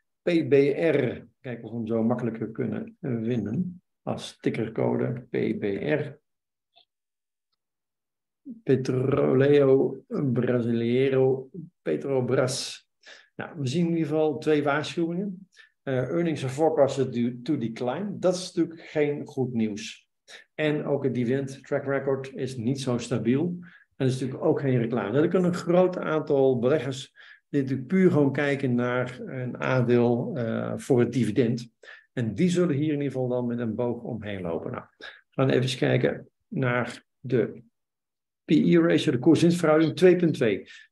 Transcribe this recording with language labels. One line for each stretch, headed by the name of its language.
Dutch: PBR, kijken of we hem zo makkelijker kunnen vinden. Als tickercode PBR. Petróleo Brasileiro Petrobras. Nou, we zien in ieder geval twee waarschuwingen.
English: Earnings are forecasted to decline.
Dutch: Dat is natuurlijk geen goed nieuws. En ook het dividend track record is niet zo stabiel. En dat is natuurlijk ook geen reclame. Er kunnen een groot aantal beleggers die natuurlijk puur gewoon kijken naar een aandeel voor het dividend. En die zullen hier in ieder geval dan met een boog omheen lopen. Nou, we gaan even kijken naar de PE ratio, de koers-winstverhouding 2,2.